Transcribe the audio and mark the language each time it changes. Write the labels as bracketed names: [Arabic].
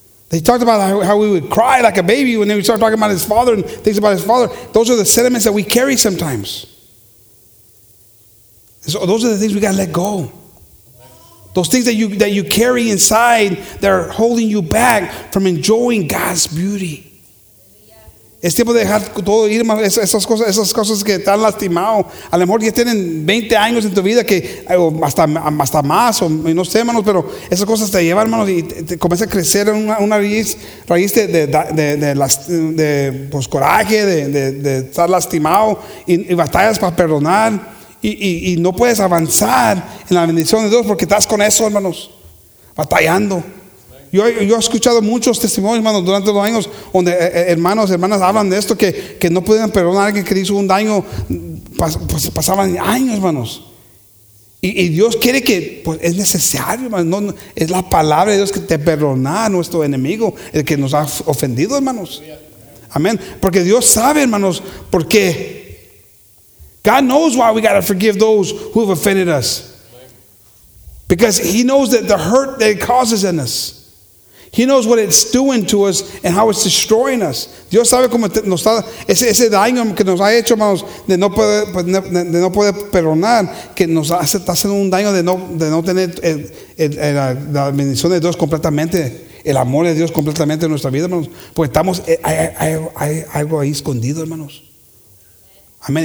[English] He talked about how we would cry like a baby when we start talking about his father and things about his father. Those are the sentiments that we carry sometimes. So those are the things we got to let go. Those things that you carry inside that are holding you back from enjoying God's beauty. [Spanish] Es tiempo de dejar todo ir, esas cosas que te han lastimado. A lo mejor ya tienen 20 años en tu vida, que hasta más, o no sé, hermanos, pero esas cosas te llevan, hermanos, y te comienza a crecer en una raíz de coraje, de estar lastimado, y batallas para perdonar, y no puedes avanzar en la bendición de Dios porque estás con eso, hermanos, batallando. Yo he escuchado muchos testimonios, hermanos, durante los años, donde hermanos, hermanas hablan de esto, que no pueden perdonar a alguien que hizo un daño, pasaban años, hermanos. Y Dios quiere que, pues es necesario, hermanos, no, es la palabra de Dios que te perdona a nuestro enemigo, el que nos ha ofendido, hermanos. Amén. Porque Dios sabe, hermanos, por qué. [English] God knows why we got to forgive those who have offended us. Because he knows that the hurt that it causes in us. He knows what it's doing to us and how it's destroying us. [Spanish] Dios sabe cómo nos está ese daño que nos ha hecho, hermanos, de no poder perdonar, que nos está haciendo un daño de no tener la bendición de Dios completamente, el amor de Dios completamente en nuestra vida, hermanos. Porque estamos, hay algo ahí escondido, hermanos. Amén.